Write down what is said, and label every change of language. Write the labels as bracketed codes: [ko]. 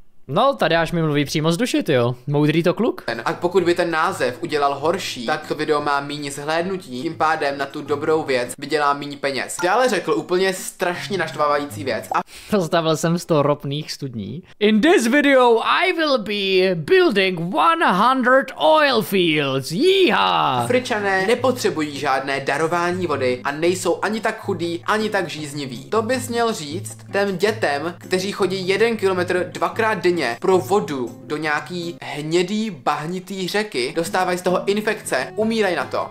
[cs] No, tady až mi mluví přímo z duše, jo. Moudrý to kluk. A pokud by ten název udělal horší, tak to video má méně zhlédnutí, tím pádem na tu dobrou věc vydělá méně peněz. Dále řekl úplně strašně naštvávající věc. A postavil jsem 100 ropných studní. [en] In this video I will be building 100 oil fields. Jíha! [cs] Afričané nepotřebují žádné darování vody a nejsou ani tak chudí, ani tak žízniví. To bys měl říct těm dětem, kteří chodí 1 kilometr dvakrát pro vodu do nějaký hnědý bahnitý řeky, dostávají z toho infekce, umírají na to.